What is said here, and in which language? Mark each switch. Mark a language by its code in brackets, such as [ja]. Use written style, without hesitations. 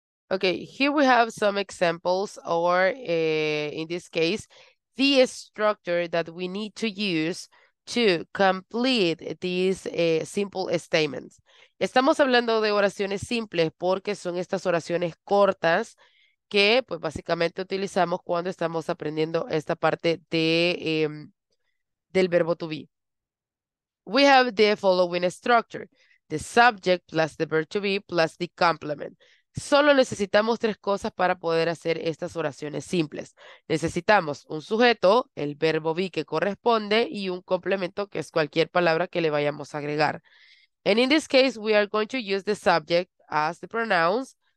[en] Okay, here we have some examples, or in this case, the structure that we need to use to complete these simple statements. [es] Estamos hablando de oraciones simples porque son estas oraciones cortas que, pues, básicamente utilizamos cuando estamos aprendiendo esta parte de del verbo to be. [en] We have the following structure: the subject plus the verb to be plus the complement. [es] Solo necesitamos tres cosas para poder hacer estas oraciones simples. Necesitamos un sujeto, el verbo be que corresponde, y un complemento, que es cualquier palabra que le vayamos a agregar. [en] And in this case, we are going to use the subject as the pronouns.